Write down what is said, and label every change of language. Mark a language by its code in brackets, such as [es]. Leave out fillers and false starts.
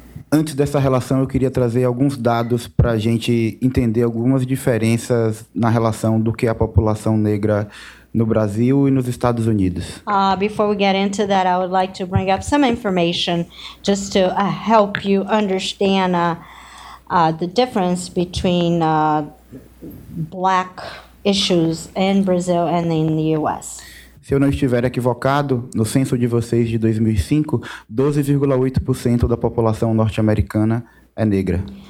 [pt] Antes dessa relação, eu queria trazer alguns dados para a gente entender algumas diferenças na relação do que a população negra no Brasil e nos Estados Unidos. [en] Before we get into that, I would like to bring up some information just to help you understand the difference between black issues in Brazil and in the US. [pt] Se eu não estiver equivocado, no censo de vocês de 2005, 12,8% da população norte-americana é negra.